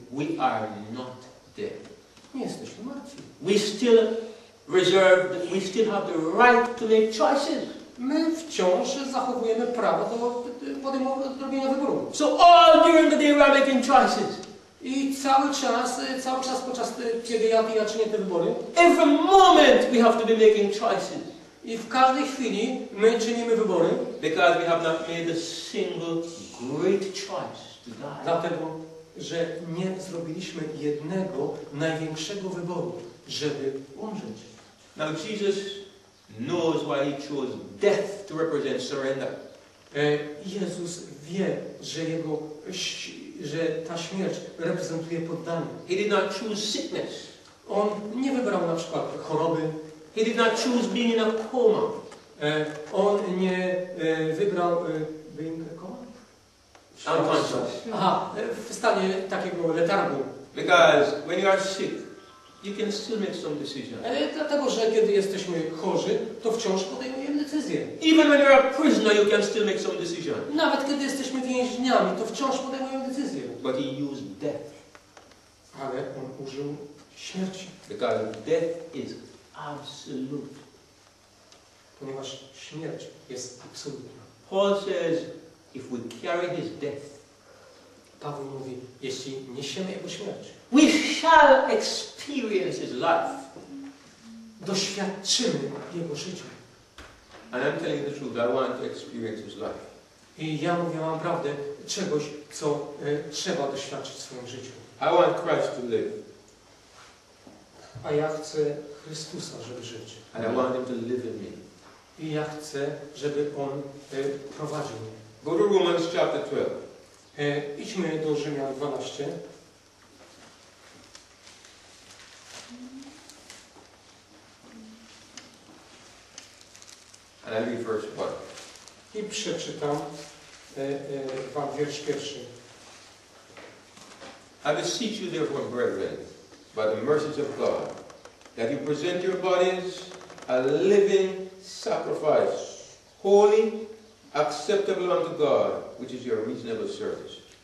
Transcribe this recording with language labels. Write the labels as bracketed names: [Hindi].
[English] We are not dead. [Polish] Nie jesteśmy martwi. [English] We still reserve, we still have the right to make choices. [Polish] My wciąż zachowujemy prawo do podejmowania wyboru. [English] So all during the day we are making choices. [Polish] I cały czas podczas kiedy ja czynię te wybory. [English] Every moment we have to be making choices. [Polish] I w każdej chwili my czynimy wybory. [English] Because we have not made a single great choice to die. [Polish] Dlatego, że nie zrobiliśmy jednego największego wyboru, żeby umrzeć. [English] Now Jesus knows why he chose death to represent surrender. [Polish] Jezus wie, że jego że ta śmierć reprezentuje poddanie. [English] He did not choose sickness. [Polish] On nie wybrał na przykład choroby. [English] He did not choose being in a coma. [Polish] On nie wybrał [English] being a coma? Unconscious. [Polish] Aha, w stanie takiego letargu. [English] Because when you are sick, you can still make some decisions. [Polish] Dlatego, że kiedy jesteśmy chorzy, to wciąż podejmujemy decyzje. [English] Even when you are a prisoner, you can still make some decisions. [Polish] Nawet kiedy jesteśmy więźniami, to wciąż podejmujemy decyzje. [English] But he used death. [Polish] Ale on użył śmierci. [English] Because death is absolute. [Polish] Ponieważ śmierć jest absolutna. [English] Paul says, if we carry his death, [Polish] Paweł mówi, jeśli niesiemy jego śmierć, [English] we shall experience his life. [Polish] Doświadczymy jego życia. [English] And I'm telling you the truth, I want to experience his life. [Polish] I ja mówię wam prawdę, czegoś, co trzeba doświadczyć w swoim życiu. [English] I want Christ to live. [Polish] A ja chcę Chrystusa, żeby żyć. [English] And I want him to live in me. [Polish] I ja chcę, żeby on prowadził mnie. [English] Go to Romans chapter 12. [Polish] Idźmy do Rzymian 12. [English] And I'll first part. [Polish] I przeczytam wam wiersz pierwszy. [English] I beseech you therefore, brethren, by the mercies of God, that you present your bodies a living sacrifice, holy, acceptable unto God, which is your reasonable service.